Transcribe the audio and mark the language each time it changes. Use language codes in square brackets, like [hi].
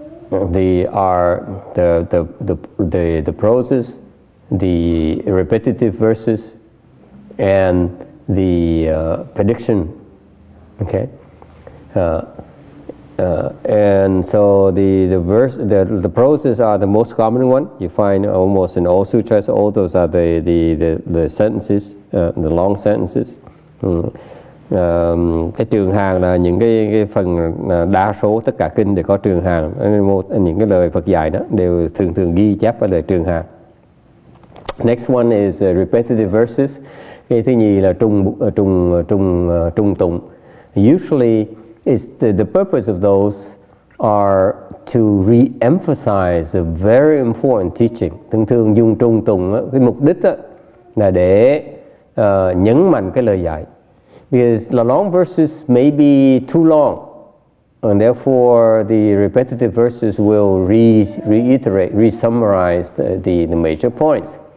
[en] They are the proses, the repetitive verses, and the prediction. Okay. And so the proses are the most common one. You find almost in all sutras, all those are the sentences, the long sentences. [vi] Cái trường hàng là những cái phần đa số tất cả kinh đều có trường hàng, những cái lời Phật dạy đó đều thường thường ghi chép ở lời trường hàng. [en] Next one is repetitive verses. [vi] Cái thứ nhì là trung tụng. [en] Usually is the purpose of those are to re-emphasize a very important teaching. [vi] Thường thường dùng trung tụng cái mục đích đó là để nhấn mạnh cái lời dạy. [en] Because the long verses may be too long, and therefore the repetitive verses will re-summarize the major points.